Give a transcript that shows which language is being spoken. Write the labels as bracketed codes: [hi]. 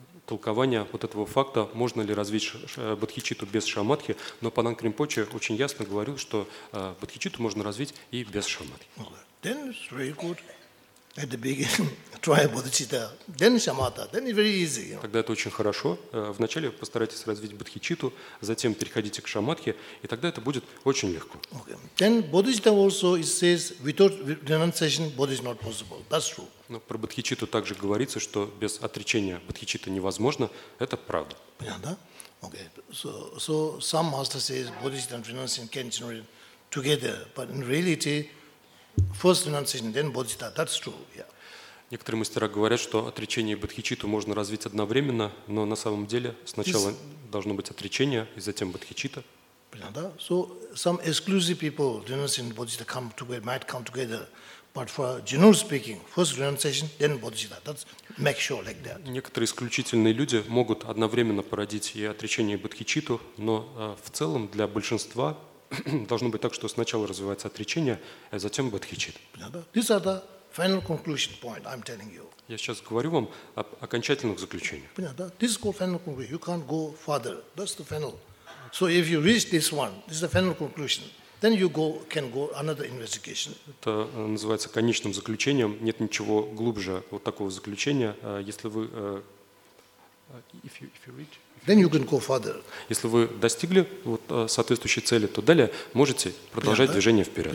[ru] толкования вот этого факта, можно ли развить бодхичитту без шамадхи, но Панак Ринпоче очень ясно говорил, что бодхичитту можно развить и без шамадхи. [en] Then it's very good. At the beginning, try bodhicitta, then shamatha, then it's very easy. You know? [ru] Тогда это очень хорошо. Вначале постарайтесь развить бодхичитту, затем переходите к шамадхе, и тогда это будет очень легко. [en] Okay. Then bodhicitta also it says without renunciation, bodhi is not possible. That's true. [ru] Но про бодхичитту также говорится, что без отречения бодхичитта невозможно. Это правда. Понятно? Okay. [en] So some master says bodhicitta and renunciation can generate together, but in reality. First renunciation, then bodhicitta. That's true. Yeah. [ru] Некоторые мастера говорят, что отречение и бодхичитту можно развить одновременно, но на самом деле сначала должно быть отречение и затем бодхичитта. Понятно. [en] So some exclusive people renunciation and bodhicitta come together, might come together, but for general speaking, first renunciation, then bodhicitta. That's make sure like that. [ru] Некоторые исключительные люди могут одновременно породить и отречение и бодхичитту, но в целом для большинства должно быть так, что сначала развивается отречение, а затем бодхичит. [en] These are the final conclusion point, I'm telling you. [ru] Я сейчас говорю вам об окончательных заключениях. Понятно? [en] This is called final conclusion. You can't go further. That's the final. So if you reach this one, this is the final conclusion. Then you go, can go another investigation. [ru] Это называется конечным заключением. Нет ничего глубже вот такого заключения. Если вы... [en] Then you can go further. [ru] Если вы достигли вот соответствующей цели, то далее можете продолжать [en] yeah, [ru] движение вперед.